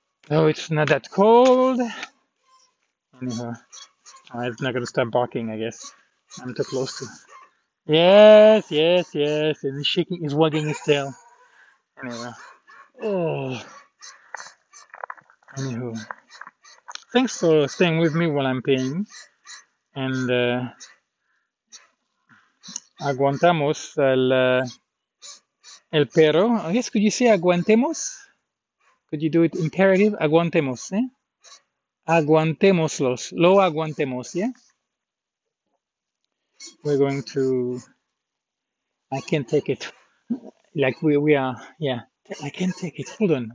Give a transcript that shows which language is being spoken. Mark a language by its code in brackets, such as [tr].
[en] Oh, it's not that cold. Anyhow, it's not going to stop barking, I guess. I'm too close to Yes. And he's shaking, he's wagging his tail. Anyway. Oh. Anywho. Thanks for staying with me while I'm peeing. [es] And aguantamos el perro. [en] I guess could you say aguantemos? Could you do it imperative? [es] Aguantemos, aguantemos los. Lo aguantemos, yeah? [en] We're going to. I can't take it. Like we are, yeah. I can't take it. Hold on.